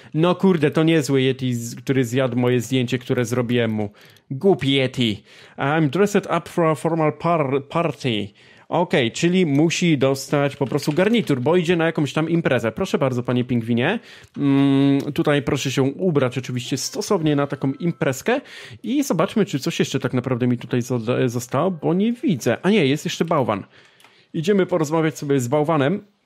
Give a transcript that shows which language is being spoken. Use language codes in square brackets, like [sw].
[pl] No kurde, to niezły Yeti, który zjadł moje zdjęcie, które zrobiłem mu. Głupi Yeti. [en] I'm dressed up for a formal party. [pl] Okej, okay, czyli musi dostać po prostu garnitur, bo idzie na jakąś tam imprezę. Proszę bardzo, panie pingwinie. Tutaj proszę się ubrać oczywiście stosownie na taką imprezkę i zobaczmy, czy coś jeszcze tak naprawdę mi tutaj zostało, bo nie widzę. A nie, jest jeszcze bałwan. Idziemy porozmawiać sobie z bałwanem.